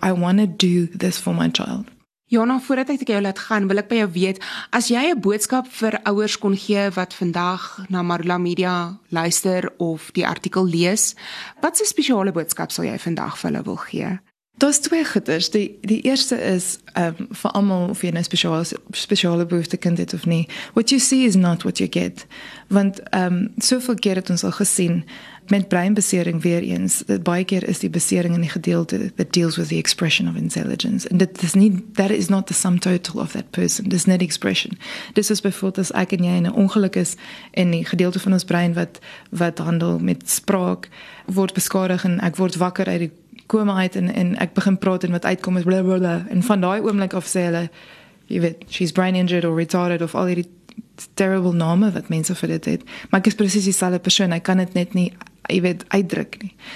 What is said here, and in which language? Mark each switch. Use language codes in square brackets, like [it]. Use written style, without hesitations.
[en] I want to do this for my child. [af] Jana, voordat ek jou laat gaan, wil ek by jou weet, as jy 'n boodskap vir ouers kon gee wat vandag na Marula Media luister of die artikel lees, wat 'n spesiale boodskap sal jy vandag vir hulle wil gee? Daar is twee goeders. Die eerste is, vir allemaal of jy nou speciale behoefte kind het of nie, [en] what you see is not what you get. [af] Want soveel keer het ons al gesien, met breinbesering weer eens, dat baie keer is die besering in die gedeelte [en] that deals with the expression of intelligence. And that is not the sum total of that person. [af] Dis net expression. Dis is bijvoorbeeld as ek en jy in 'n ongeluk is en die gedeelte van ons brein wat handel met spraak, word beskadig en ek word wakker uit die kom uit en ek begin praat en wat uitkom is blablabla, en van die oomblik af sê hulle, jy weet, [en] she's brain injured or retarded [af] of al die terrible name wat mense vir dit het, maar ek is precies die selfe persoon, ek kan het net nie, jy weet, uitdruk nie.